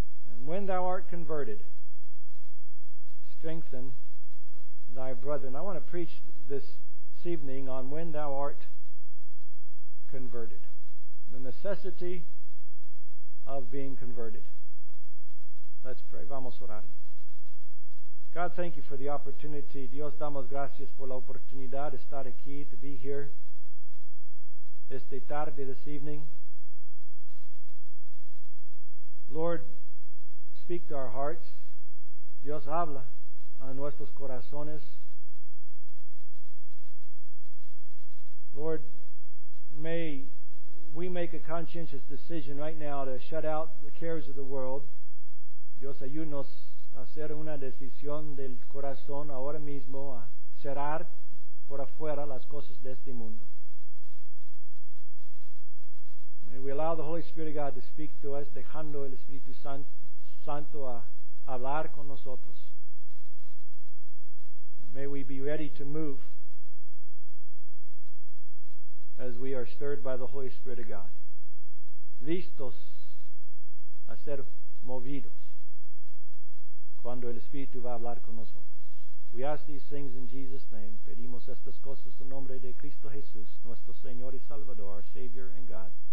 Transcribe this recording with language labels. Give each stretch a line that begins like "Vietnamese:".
English: And when thou art converted, strengthen thy brethren. I want to preach this evening on when thou art converted. The necessity of being converted. Let's pray.
Spanish: Vamos a orar.
English: God, thank you for the opportunity.
Spanish: Dios, damos gracias por la oportunidad de estar aquí,
English: to be here
Spanish: esta tarde,
English: this evening. Lord, speak to our hearts.
Spanish: Dios, habla a nuestros corazones.
English: Lord, may we make a conscientious decision right now to shut out the cares of the world.
Spanish: Dios, ayúdanos a hacer una decisión del corazón ahora mismo, a cerrar por afuera las cosas de este mundo.
English: May we allow the Holy Spirit of God to speak to us,
Spanish: dejando el Espíritu Santo a hablar con nosotros.
English: May we be ready to move as we are stirred by the Holy Spirit of God.
Spanish: Listos a ser movidos cuando el Espíritu va a hablar con nosotros.
English: We ask these things in Jesus' name.
Spanish: Pedimos estas cosas en nombre de Cristo Jesús, nuestro Señor y Salvador,
English: our Savior and God.